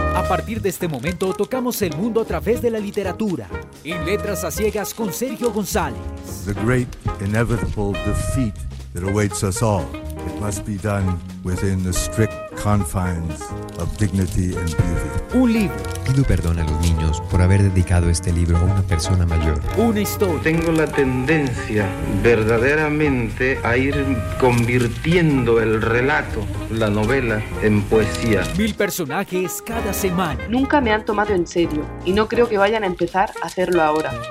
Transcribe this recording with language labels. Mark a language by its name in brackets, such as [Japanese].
[Spanish] partir de este momento tocamos el mundo a través de la literatura. En Letras a Ciegas con Sergio González. [English] The great inevitable defeat that awaits us all. It must be done within the strict confines of dignity and beauty. [Spanish] Un libro. Pido perdón a los niños por haber dedicado este libro a una persona mayor. Una historia. Tengo la tendencia verdaderamente a ir convirtiendo el relato, la novela, en poesía. Mil personajes cada semana. Nunca me han tomado en serio y no creo que vayan a empezar a hacerlo ahora.